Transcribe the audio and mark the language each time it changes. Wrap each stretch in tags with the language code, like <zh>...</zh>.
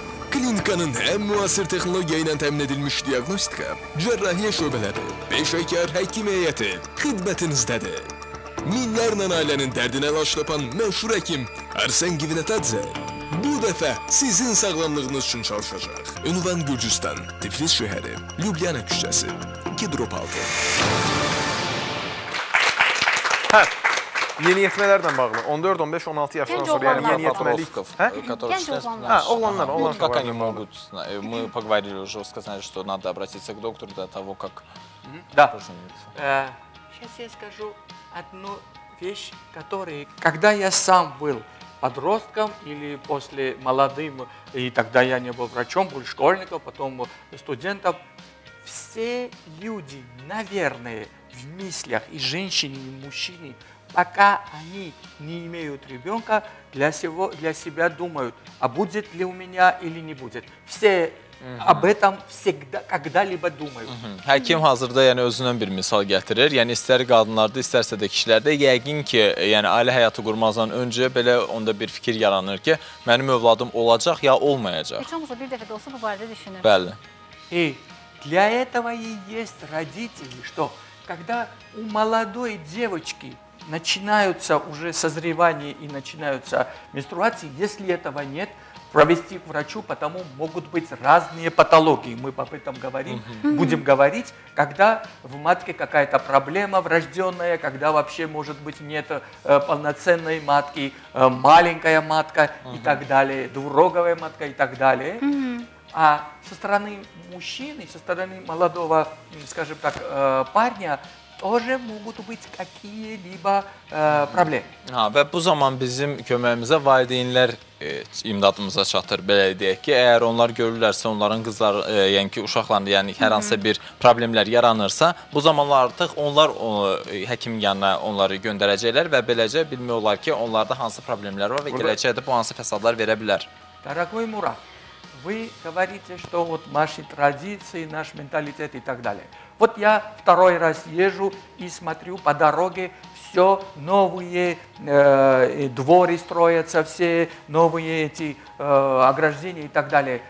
<az>Klinikanın ən müasir texnologiya ilə təmin edilmiş diagnostika, cərrahiyyə şöbələri, peşəkar həkim heyəti xidmətinizdədir. Minlərlə ailənin dərdinə laş tapan məşhur həkim Arsen Givinetadze bu dəfə sizin sağlamlığınız üçün çalışacaq. Ünvan Gürcüstan, Tiflis şəhəri, Lyubliana küçəsi, Kidrop 6. Yeniyetmelerden bağlı. 14, 15, 16 yaşından sonra yani yeniyetmelik. Genç olanlar. Ha, olanlar.</az> <ru>Как они могут? Сказали, что надо обратиться к доктору до того, как. Да. Сейчас я скажу одну вещь, которую, когда я сам был подростком или после молодым, и тогда я не был врачом, был школьником, потом студентом, все люди, наверное, в мыслях и женщины, и мужчины, пока они не имеют ребенка, для себя думают, а будет ли у меня или не будет. Все об этом всегда, когда-либо думают.</ru> <az>Хаким hazırda yani özündən bir misal gətirir. Yəni, istər qadınlarda, istərsə də kişilərdə, yəqin ki, yəni, ailə həyatı qurmazdan öncə belə onda bir fikir yaranır ki, mənim övladım olacaq ya olmayacaq. Heç olmasa bir dəfə də olsa bu barədə düşünür. Bəli.</az> <ru>И для этого и есть родители, что когда у молодой девочки начинаются уже созревание и начинаются менструации, если этого нет, провести к врачу, потому могут быть разные патологии. Мы об этом говорим, будем говорить, когда в матке какая-то проблема врожденная, когда вообще, может быть, нет полноценной матки, маленькая матка и так далее, двуроговая матка и так далее. А со стороны мужчины, со стороны молодого, скажем так, парня, тоже могут быть какие-либо проблемы.</ru> <az>Ve bu zaman bizim köməyimizə valideynlər imdadımıza çatır, belə deyək ki, əgər onlar görürlərsə, onların qızlar, yəni ki, uşaqlarında, yəni hər hansı bir problemlər yaranırsa, bu zamanlar artıq onlar həkim yanına onları göndərəcəklər və beləcə bilmək olar ki, onlarda hansı problemlər var və gələcəkdə bu hansı fəsadlar verə bilər.</az> <ru>Дорогой Мура, вы говорите, что вот наши традиции, наш менталитет и так далее. Вот я второй раз езжу и смотрю по дороге, все новые дворы строятся, все новые эти ограждения и так далее.</ru>